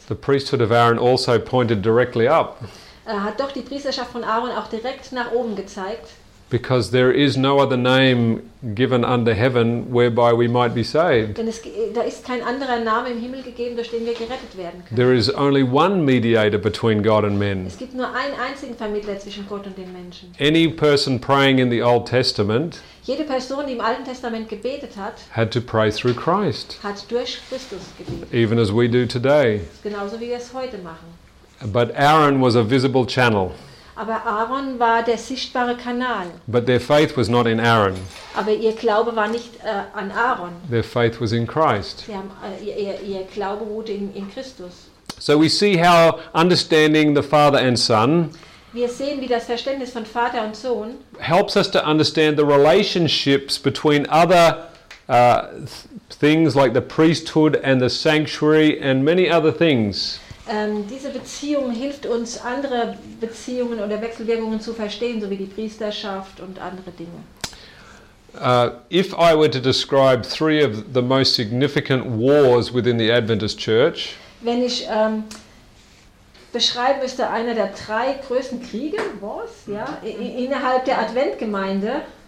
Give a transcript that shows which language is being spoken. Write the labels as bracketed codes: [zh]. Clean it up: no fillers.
[en] the priesthood of Aaron also pointed directly up. [de] Hat doch die Priesterschaft von Aaron auch direkt nach oben gezeigt. [en] Because there is no other name given under heaven whereby we might be saved. [de] Denn da ist kein anderer Name im Himmel gegeben, durch den wir gerettet werden können. [en] There is only one mediator between God and men. [de] Es gibt nur einen einzigen Vermittler zwischen Gott und den Menschen. [en] Any person praying in the Old Testament. [de] Jede Person, die im Alten Testament gebetet hat. [en] Had to pray through Christ. [de] Hat durch Christus gebetet. [en] Even as we do today. [de] Genauso wie wir es heute machen. [en] But Aaron was a visible channel. [de] Aber Aaron war der sichtbare Kanal. [en] But their faith was not in Aaron. [de] Aber ihr Glaube war nicht an Aaron. [en] Their faith was in Christ. [de] Ihr Glaube wurde in Christus. [en] So we see how understanding the Father and Son. [de] Wir sehen, wie das Verständnis von Vater und Sohn [en] helps us to understand the relationships between other things like the priesthood and the sanctuary and many other things. [de] Diese Beziehung hilft uns, andere Beziehungen oder Wechselwirkungen zu verstehen, so wie die Priesterschaft und andere Dinge. [en] If I were to describe three of the most significant wars within the Adventist Church, [de] wenn ich beschreiben müsste, einer der drei größten Kriege, Wars, ja, innerhalb der Adventgemeinde.